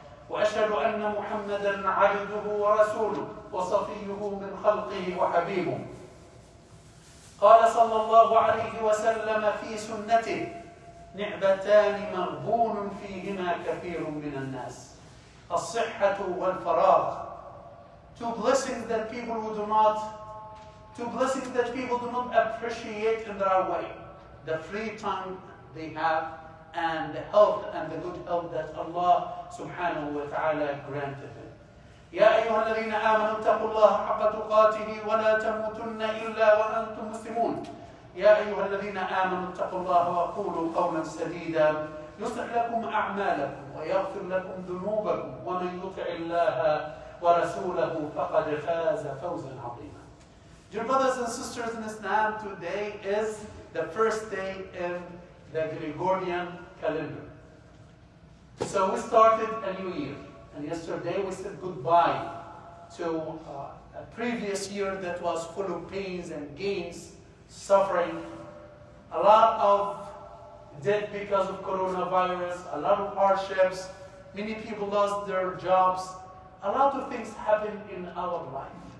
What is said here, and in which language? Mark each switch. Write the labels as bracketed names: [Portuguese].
[Arabic] وأشهد أن محمدًا عبده ورسوله وصفيه من خلقه وحبيبه. قال صلى الله عليه وسلم في سنته: نعمتان مغبون فيهما كثير من الناس، الصحة والفراغ. [English] Two blessings that people who do not, two blessings that people do not appreciate in their way. The free time they have and the health and the good health that Allah subhanahu wa ta'ala granted them. [Arabic] يا أيها الذين آمنوا اتقوا الله حق تقاته ولا تموتن إلا وأنتم مسلمون. يا أيها الذين آمنوا اتقوا الله وقولوا قولا سديدا يصلح لكم أعمالكم ويغفر لكم ذنوبكم، ومن يطع الله ورسوله فقد فاز فوزا عظيما. [English] Dear brothers and sisters in Islam, today is the first day in the Gregorian calendar. So we started a new year, and yesterday we said goodbye to a previous year that was full of pains and gains, suffering, a lot of death because of coronavirus, a lot of hardships, many people lost their jobs, a lot of things happened in our life.